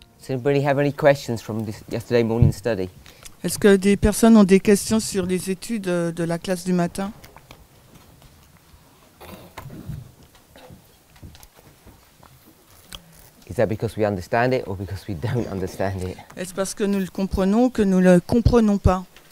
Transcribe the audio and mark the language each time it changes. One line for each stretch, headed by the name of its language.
English: anybody have any questions from this yesterday morning study?
French: Est-ce que des personnes ont des questions sur les études de la classe du matin?
English: Is that because we understand it or because we don't understand it?
French: Est-ce parce que nous le comprenons ou que nous le comprenons pas?